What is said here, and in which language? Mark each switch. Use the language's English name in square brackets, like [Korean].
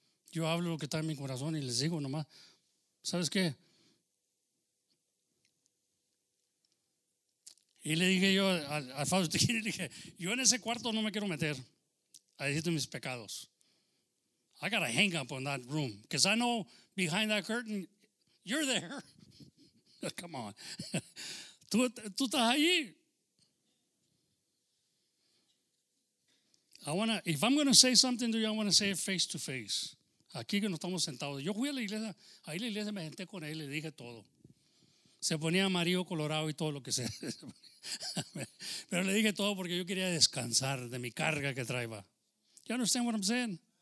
[Spanish] Yo hablo lo que está en mi corazón y les digo nomás, ¿sabes qué? Y le dije yo al Father Tejera, le dije, yo en ese cuarto no me quiero meter a decirte mis pecados. [English] I got to hang up on that room because I know behind that curtain, you're there. Come on. [Spanish] Tú estás allí. [English] If I'm going to say something to you, I want to say it face to face. [Spanish] Aquí que nos estamos sentados. Yo fui a la iglesia. Ahí la iglesia me senté con él y le dije todo. Se ponía amarillo, colorado y todo lo que sea. Pero le dije todo porque yo quería descansar de mi carga que traía. [English] You understand what I'm saying?